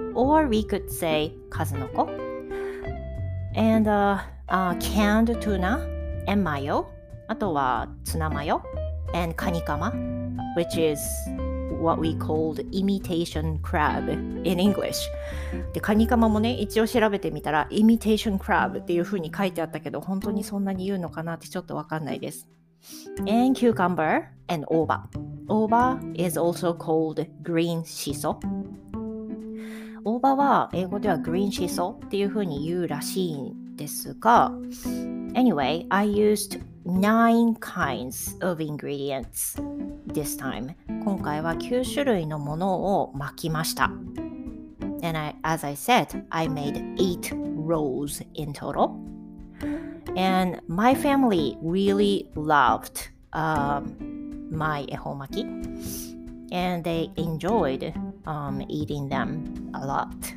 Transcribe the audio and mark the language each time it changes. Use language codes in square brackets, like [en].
[en] or we could say カズノコ and canned tuna and mayo [ja] あとはツナマヨ [en] and カニカマ which is what we called imitation crab in English [ja] で、カニカマもね、一応調べてみたら imitation crab っていう風に書いてあったけど本当にそんなに言うのかなってちょっとわかんないです [en] And cucumber and 大葉 大葉 is also called green shiso [ja] 大葉は英語では green shiso っていう風に言うらしいんですが [en] Anyway, I used 9 kinds of ingredients this time [ja] 今回は9種類のものを巻きました [en] And as I said, I made 8 rolls in totalAnd my family really loved my ehomaki. And they enjoyed eating them a lot.